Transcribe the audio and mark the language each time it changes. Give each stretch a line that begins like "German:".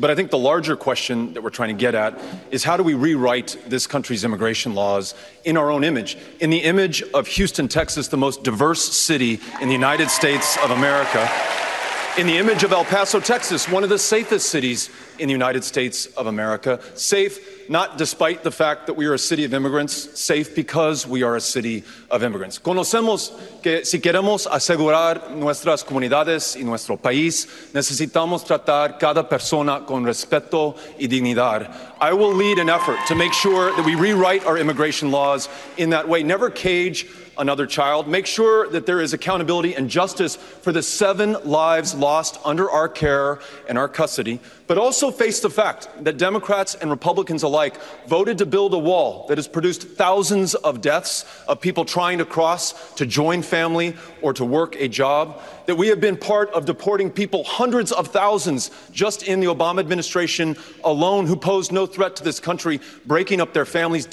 English: But I think the larger question that we're trying to get at is how do we rewrite this country's immigration laws in our own image, in the image of Houston, Texas, the most diverse city in the United States of America, in the image of El Paso, Texas, one of the safest cities in the United States of America, safe not despite the fact that we are a city of immigrants, safe because we are a city of immigrants.
Spanish: Conocemos que si queremos asegurar nuestras comunidades y nuestro país, necesitamos tratar cada persona con respeto y dignidad.
English: I will lead an effort to make sure that we rewrite our immigration laws in that way. Never cage another child. Make sure that there is accountability and justice for the 7 lives lost under our care and our custody. But also face the fact that Democrats and Republicans alike voted to build a wall that has produced thousands of deaths of people trying to cross to join family or to work a job, that we have been part of deporting people, hundreds of thousands, just in the Obama administration alone, who posed no threat to this country, breaking up their families.